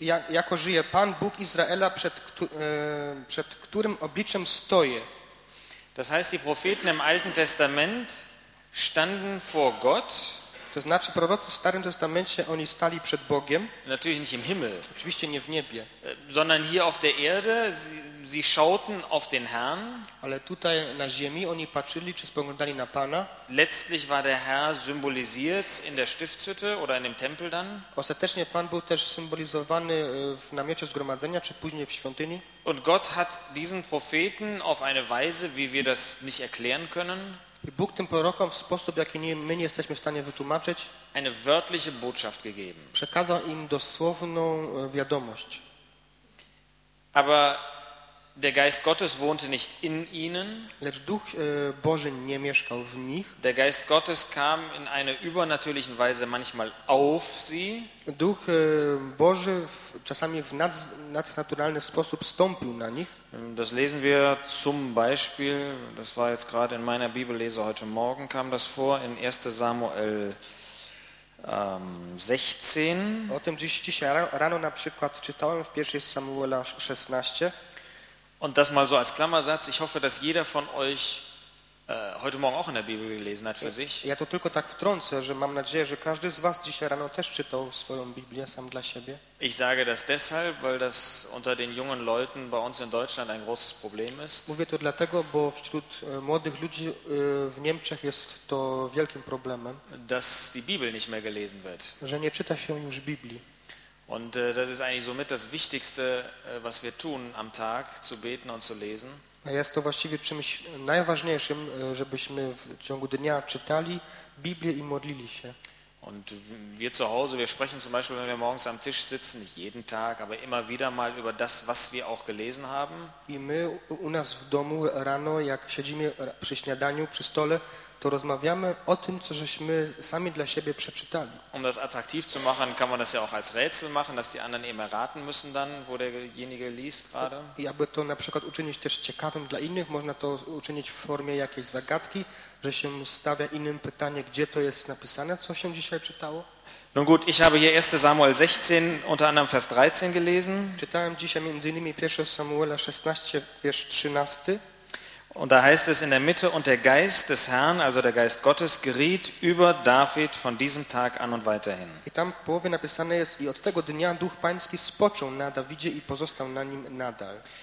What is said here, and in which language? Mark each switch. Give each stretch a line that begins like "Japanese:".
Polish: Jako żyje Pan Bóg Izraela, przed którym obliczem stoję.
German: Das heißt, die Propheten im Alten Testament standen vor Gott.
Polish: To znaczy, prorocy w Starym Testamencie, oni stali przed Bogiem.
German: Natürlich nicht im Himmel.
Polish: Oczywiście nie w niebie.
German: Sondern hier auf der Erde, sie schauten auf den Herrn.
Polish: Ale tutaj na ziemi oni patrzyli, czy spoglądali na Pana.
German: Letztlich war der Herr symbolisiert in der Stiftshütte oder in dem Tempel dann.
Polish: Ostatecznie Pan był też symbolizowany w namiocie zgromadzenia, czy później w świątyni.
German: Und Gott hat diesen Propheten auf eine Weise, wie wir das nicht erklären können,
Polish: i Bóg tym prorokom w sposób, jaki my nie jesteśmy w stanie wytłumaczyć,
German: eine wörtliche Botschaft gegeben.
Polish: Przekazał im dosłowną wiadomość.
German: Aber der Geist Gottes wohnte nicht in ihnen.
Polish: Lecz Duch Boży nie mieszkał w nich.
German: Der Geist Gottes kam in einer übernatürlichen Weise manchmal auf sie.
Polish: Duch Boży czasami w nadnaturalny sposób stąpił na nich.
German: Das lesen wir zum Beispiel, das war jetzt gerade in meiner Bibellese heute Morgen, kam das vor, in 1. Samuel 16.
Polish: O tym dzisiaj rano na przykład czytałem w 1. Samuela 16.
German: Und das mal so als Klammersatz. Ich hoffe, dass jeder von euch heute Morgen auch in der Bibel gelesen hat für sich.
Polish: Ja, to tylko tak wtrącę, że mam nadzieję, że każdy z was dzisiaj rano też czytał swoją Biblię sam dla siebie.
German: Ich sage das deshalb, weil das unter den jungen Leuten bei uns in Deutschland ein großes Problem ist.
Polish: Mówię to dlatego, bo wśród młodych ludzi w Niemczech jest to wielkim problemem.
German: Dass die Bibel nicht mehr gelesen wird.
Polish: Że nie czyta się już Biblii.
German: Und das ist eigentlich somit das Wichtigste, was wir tun am Tag, zu beten und zu lesen.
Polish: Jest to właściwie czymś najważniejszym, żebyśmy w ciągu dnia czytali Biblię i modlili się.
German: Und wir zu Hause, wir sprechen zum Beispiel, wenn wir morgens am Tisch sitzen, nicht jeden Tag, aber immer wieder mal über das, was wir auch gelesen haben.
Polish: I my u nas w domu rano, jak siedzimy przy śniadaniu, przy stole, to rozmawiamy o tym, co żeśmy sami dla siebie przeczytali.
German: Um das attraktiv zu machen, kann man das ja auch als Rätsel machen, dass die anderen eben erraten müssen dann, wo derjenige liest gerade.
Polish: I aby to na przykład uczynić też ciekawym dla innych, można to uczynić w formie jakiejś zagadki, że się stawia innym pytanie, gdzie to jest napisane, co się dzisiaj czytało.
German: Nun gut, ich habe hier 1. Samuel 16, unter anderem Vers 13 gelesen.
Polish: Czytałem dzisiaj między innymi 1. Samuela 16, wiersz 13.
German: Und da heißt es in der Mitte, und der Geist des Herrn, also der Geist Gottes, geriet über David von diesem Tag an und weiterhin.
Polish: I tam w połowie napisane jest, i od tego dnia Duch Pański spoczął na Dawidzie i pozostał na nim nadal.